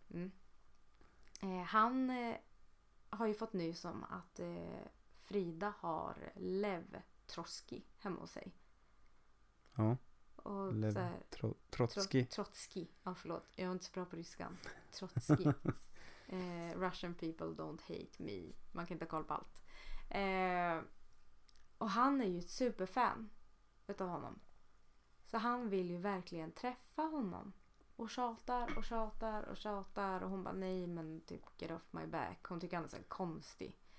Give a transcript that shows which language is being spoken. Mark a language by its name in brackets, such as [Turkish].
[Swedish] Mm. Han har ju fått nys om att Frida har Lev Trotsky hemma hos sig. Ja. Och Lev, så här, Trotsky. Trotsky, ja förlåt, jag är inte så bra på ryskan. Trotsky. [English] Russian people don't hate me. [Swedish] Man kan inte ha koll på allt. Och han är ju ett superfan utav honom. Så han vill ju verkligen träffa honom. Och tjatar och tjatar och tjatar. Och hon bara, nej men typ [English] get off my back. [Swedish] Hon tycker han är så konstig.